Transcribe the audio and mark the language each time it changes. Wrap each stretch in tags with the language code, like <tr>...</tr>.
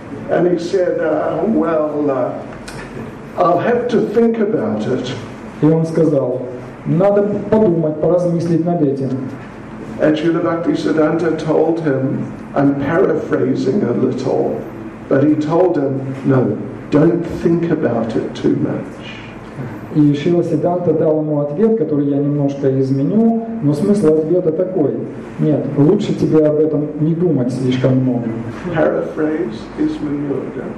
<en>And he said, "Well, I'll have to think about it."</en> <ru>И он сказал. Надо подумать, поразмыслить над этим.</ru> <en>And Srila Bhaktisiddhanta told him, I'm paraphrasing a little, but he told him, no, don't think about it too much.</en> <ru>И Шрила Сиддханта дал ему ответ, который я немножко изменю, но смысл ответа такой. Нет, лучше тебе об этом не думать слишком много.</ru> <en>Paraphrase is manure, don't</en>